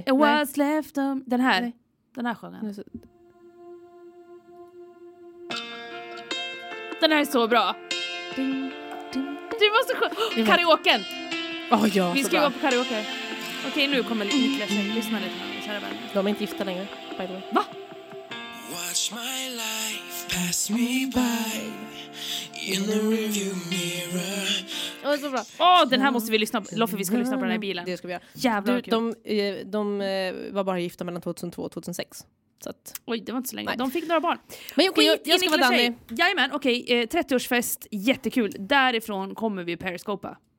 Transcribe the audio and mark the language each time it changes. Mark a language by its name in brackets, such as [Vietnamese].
[English] What's left of... [Swedish] Den här. Nej. Den här sjöngan. Den här är så bra. Du måste sjunga. Karaoken. Oh, ja, vi ska gå på karaoke. Okej, nu kommer Niklas. Lyssna lite. De är inte gifta längre, [English] by the way. [Swedish] Va? [English] Watch my life pass me by in the rearview mirror. [Swedish] Åh, så bra. Åh, den här måste vi lyssna på. Loffe, vi ska lyssna på den här bilen. Det ska vi göra. Jävlar, kul. De var bara gifta mellan 2002 och 2006. Så att, oj, det var inte så länge. Nej. De fick några barn. Men okej, jag ska vara Danny. Jajamän, okej. 30-årsfest, jättekul. Därifrån kommer vi periskopa.